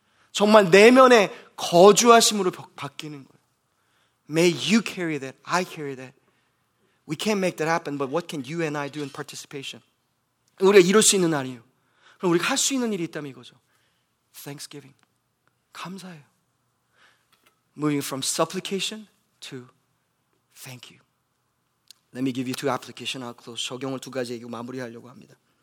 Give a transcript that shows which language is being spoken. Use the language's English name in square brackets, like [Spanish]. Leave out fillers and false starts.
[Korean] 정말 내면에 거주하심으로 바뀌는 거예요. [English] May you carry that. I carry that. We can't make that happen, but what can you and I do in participation? [Korean] 우리가 이룰 수 있는 날이에요. 그럼 우리가 할 수 있는 일이 있다면 이거죠. [English] Thanksgiving. [Korean] 감사해요. [English] Moving from supplication to thank you. Let me give you two applications. I'll close. [Korean] 적용을 두 가지 얘기고 마무리하려고 합니다.